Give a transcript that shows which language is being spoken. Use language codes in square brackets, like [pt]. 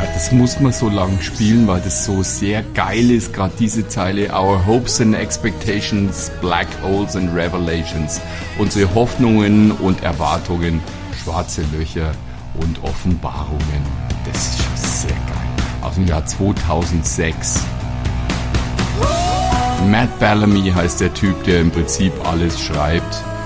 [de] Muss man so lang spielen, weil das so sehr geil ist, gerade diese Zeile. [en] Our hopes and expectations, black holes and revelations. [de] Unsere Hoffnungen und Erwartungen, schwarze Löcher und Offenbarungen. Das ist schon sehr geil. Aus dem Jahr 2006. Matt Bellamy heißt der Typ, der im Prinzip alles schreibt.